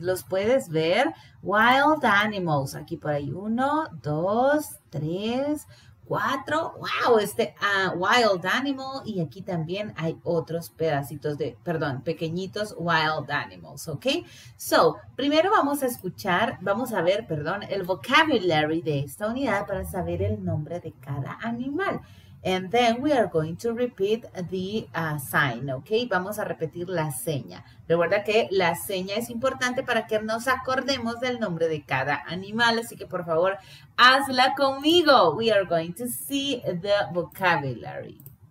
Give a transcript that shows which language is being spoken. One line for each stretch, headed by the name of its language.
Spanish: ¿Los puedes ver?
English: Wild animals.
Spanish: Aquí por ahí uno, dos, tres, cuatro, wow, este wild animal, y aquí también hay otros pedacitos de, perdón, pequeñitos
English: wild animals,
Spanish: ok? So, primero vamos a escuchar, vamos a ver, perdón, el vocabulary de esta unidad para saber el nombre de cada animal.
English: And then we are going to repeat the sign, ok?
Spanish: Vamos a repetir la seña. Recuerda que la seña es importante para que nos acordemos del nombre de cada animal. Así que, por favor, hazla conmigo.
English: We are going to see the vocabulary.